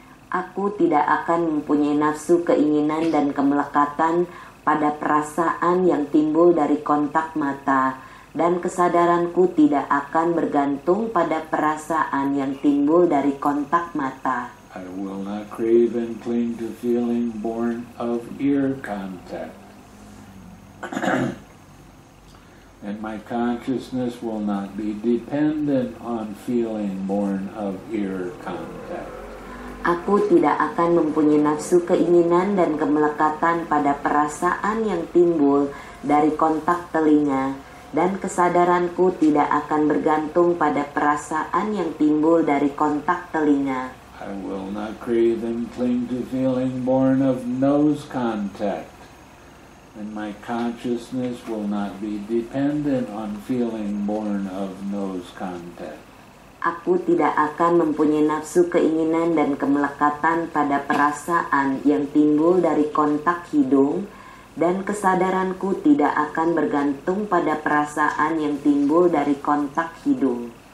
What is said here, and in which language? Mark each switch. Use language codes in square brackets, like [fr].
[id] Aku tidak akan mempunyai nafsu keinginan dan kemelekatan pada perasaan yang timbul dari kontak mata, dan kesadaranku tidak akan bergantung pada perasaan yang timbul dari kontak mata. [en] I will not crave and cling to feeling born of ear contact, and my consciousness will not be dependent on feeling born of ear contact. [id] Aku tidak akan mempunyai nafsu keinginan dan kemelekatan pada perasaan yang timbul dari kontak telinga, dan kesadaranku tidak akan bergantung pada perasaan yang timbul dari kontak telinga. [en] I will not crave and cling to feeling born of nose contact, and my consciousness will not be dependent on feeling born of nose contact. [id] Aku tidak akan mempunyai nafsu keinginan dan kemelekatan pada perasaan yang timbul dari kontak hidung, dan kesadaranku tidak akan bergantung pada perasaan yang timbul dari kontak hidung.